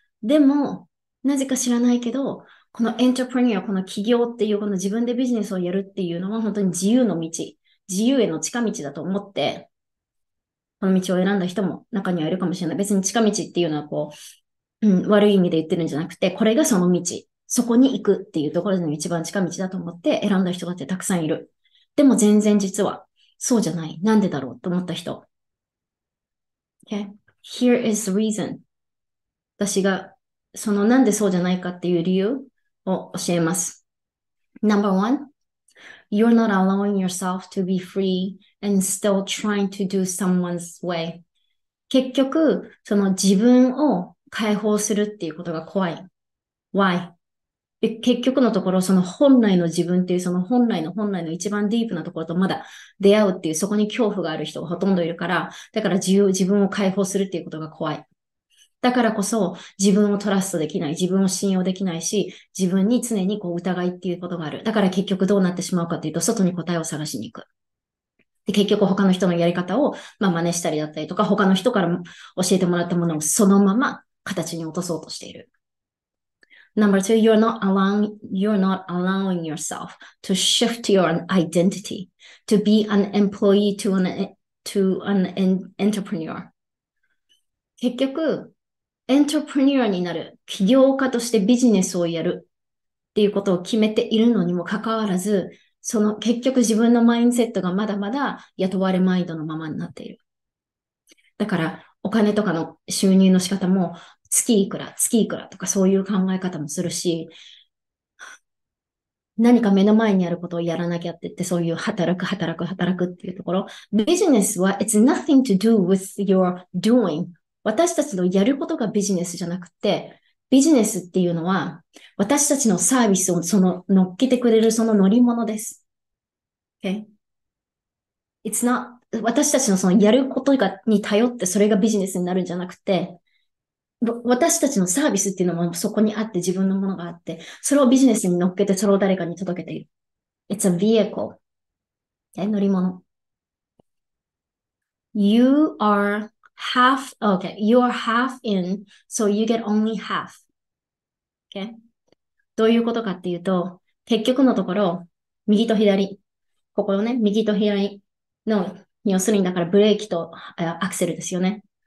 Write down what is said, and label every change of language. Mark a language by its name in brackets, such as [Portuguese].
[Japanese] でも、なぜか知らないけど、このエントプレニア、この企業っていう、この自分でビジネスをやるっていうのは本当に自由の道、自由への近道だと思って、この道を選んだ人も中にはいるかもしれない。別に近道っていうのはこう、悪い意味で言ってるんじゃなくて、これがその道、そこに行くっていうところでの一番近道だと思って選んだ人だってたくさんいる。でも全然実はそうじゃない。なんでだろうと思った人。 [English] Okay. Here is the reason. [Japanese] 私がそのなんでそうじゃないかっていう理由を教えます。 [English] Number one, you're not allowing yourself to be free and still trying to do someone's way. [Japanese] 結局、その自分を解放するっていうことが怖い。 [English] Why? [Japanese] 結局のところ、その本来の自分っていう、その本来の本来の一番ディープなところとまだ出会うっていう、そこに恐怖がある人がほとんどいるから、だから自分を解放するっていうことが怖い。だからこそ、自分をトラストできない、自分を信用できないし、自分に常にこう疑いっていうことがある。だから結局どうなってしまうかっていうと、外に答えを探しに行く。で、結局他の人のやり方を、まあ、真似したりだったりとか、他の人から教えてもらったものをそのまま形に落とそうとしている。 [English] Number two, you're not allowing yourself to shift your identity, to be an employee to an entrepreneur. [Japanese] 結局、エントプレニューになる、起業家としてビジネスをやるっていうことを決めているのにもかかわらず、その結局自分のマインセットがまだまだ雇われマインドのままになっている。だから、お金とかの収入の仕方も、月いくら、月いくらとかそういう考え方もするし、何か目の前にあることをやらなきゃって言って、そういう働く、働く、働くっていうところ。ビジネスは、 [English] it's nothing to do with your doing. [Japanese] 私たちのやることがビジネスじゃなくて、ビジネスっていうのは、私たちのサービスをその乗っけてくれるその乗り物です。 [English] Okay? It's not, [Japanese] 私たちのそのやることがに頼ってそれがビジネスになるんじゃなくて、私たちのサービスっていうのもそこにあって自分のものがあって、それをビジネスに乗っけてそれを誰かに届けている。 [English] It's a vehicle. Okay? [Japanese] 乗り物。 [English] You are half in, so you get only half. Okay? [Japanese] どういうことかっていうと、結局のところ、右と左、ここのね、右と左の、要するにだからブレーキとアクセルですよね。